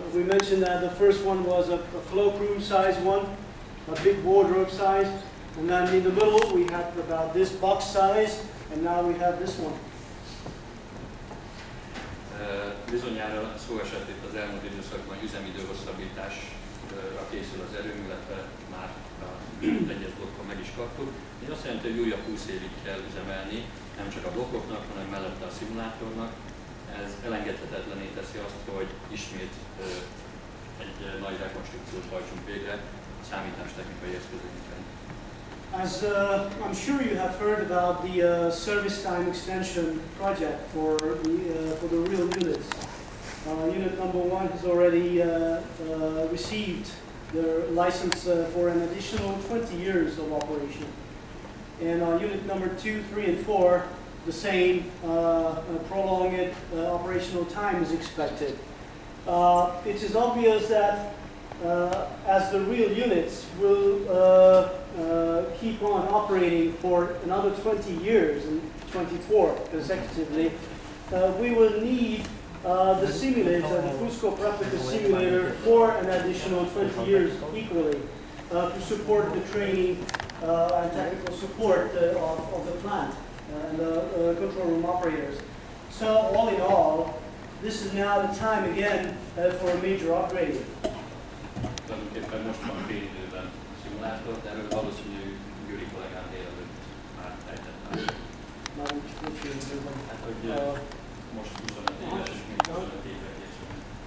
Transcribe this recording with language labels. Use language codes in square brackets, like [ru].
[en] We mentioned that the first one was a cloakroom size one, a big wardrobe size. And then in the middle, we had about this box size, and now we have this one. [hu] Bizonyára szó esett itt az elmúlt időszakban üzemidőhosszabbításra készül az erőm, illetve már egyes blokkon meg is kaptuk. Ez azt jelenti, hogy újabb 20 évig kell üzemelni, nem csak a blokkoknak, hanem mellette a szimulátornak. Ez elengedhetetlené teszi azt, hogy ismét egy nagy rekonstrukciót hajtsunk végre a számítástechnikai eszközökben. [en] As I'm sure you have heard about the service time extension project for the real units, unit number one has already received their license for an additional 20 years of operation, and unit number two, three, and four, the same prolonged operational time is expected. It is obvious that as the real units will keep on operating for another 20 years and 24 consecutively, we will need the simulator, the Fusco Replica simulator, for an additional 20 years equally to support the training and technical support of the plant and the control room operators. So all in all, this is now the time again for a major upgrade. [hu] Tulajdonképpen most van fél időben a szimulátor, de erről valószínű Gyuri kollégám délelőtt már fejtett át. Már úgy kérdőben. Hát, hogy most 25 éves, és még 25 éve készülünk.